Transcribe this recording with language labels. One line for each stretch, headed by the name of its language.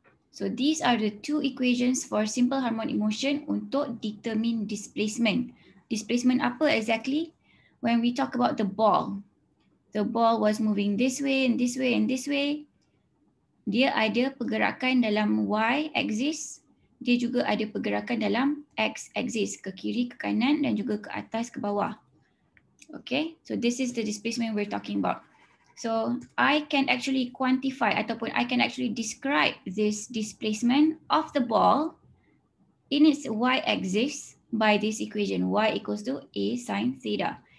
English: So these are the two equations for simple harmonic motion
Malay: untuk
English: determine displacement. Displacement
Malay: apa
English: exactly? When we talk about the ball was moving this way and this way and this way.
Malay: Dia ada pergerakan dalam y axis. Dia juga ada pergerakan dalam x axis, ke kiri, ke kanan dan juga ke atas, ke bawah.
English: Okay, so this is the displacement we're talking about. So I can actually quantify
Malay: ataupun
English: I can actually describe this displacement of the ball in its y-axis by this equation, y equals to a sine theta.